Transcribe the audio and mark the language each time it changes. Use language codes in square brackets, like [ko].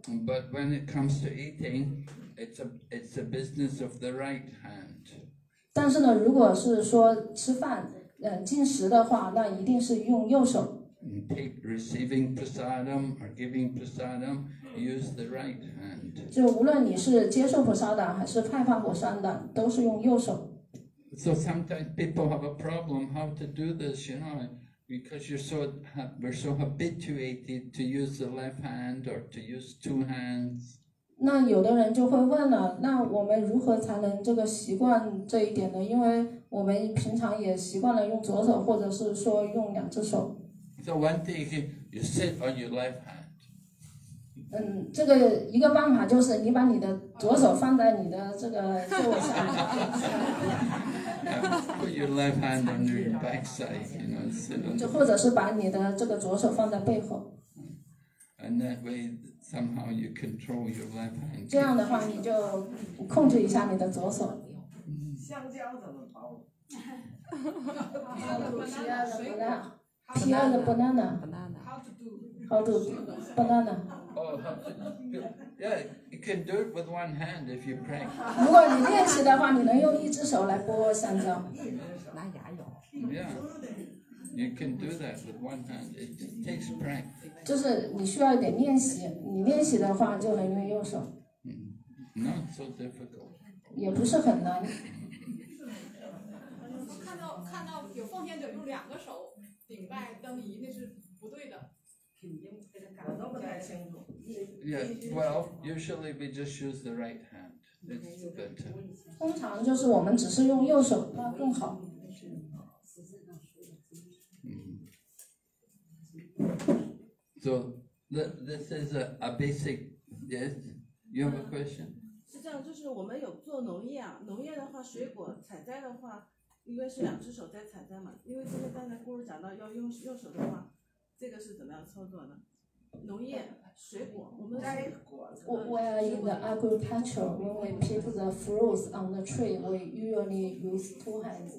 [en] But when it comes to eating, it's a business of the right hand. [zh] 但是呢，如果是说吃饭，进食的话，那一定是用右手。 [en] Take receiving prasadam or giving prasadam, use the right hand. [zh] 就无论你是接受菩萨的还是派发菩萨的，都是用右手。 [en] So sometimes people have a problem how to do this, you know, because we're so habituated to use the left hand or to use two hands. [zh] 那有的人就会问了，那我们如何才能这个习惯这一点呢？因为我们平常也习惯了用左手，或者是说用两只手。 [en] So one thing is you sit on your left hand. [zh] 这个一个办法就是你把你的左手放在你的这个座位上。 [en] Put your left hand on your backside, you know, sit on. [zh] 就或者是把你的这个左手放在背后。 [en] And that way. Somehow you control your left hand. [zh] 这样的话，你就控制一下你的左手。香蕉怎么包？皮的 banana， 皮的 banana。 [en] How to do? Banana. Oh, yeah. You can do it with one hand if you practice. [zh] 如果你练习的话，你能用一只手来剥香蕉。拿牙咬。 [en] Yeah. You can do that with one hand. It takes practice. [zh] 就是你需要一点练习，你练习的话就能用右手。 [en] Not so difficult. [zh] 也不是很难。看到有奉献者用两个手顶拜灯仪，那是不对的。感觉不太清楚。 [en] Yeah, well, usually we just use the right hand. It's better. [zh] 通常就是我们只是用右手，那更好。 [en] So this is a basic. Yes, you have a question. [zh] 是这样，就是我们有做农业啊，农业的话，水果采摘的话，因为是两只手在采摘嘛。因为现在刚才姑姑讲到要用右手的话，这个是怎么样操作呢？农业水果，我们摘果。 [en] We are in the agriculture. When we pick the fruits on the tree, we usually use two hands.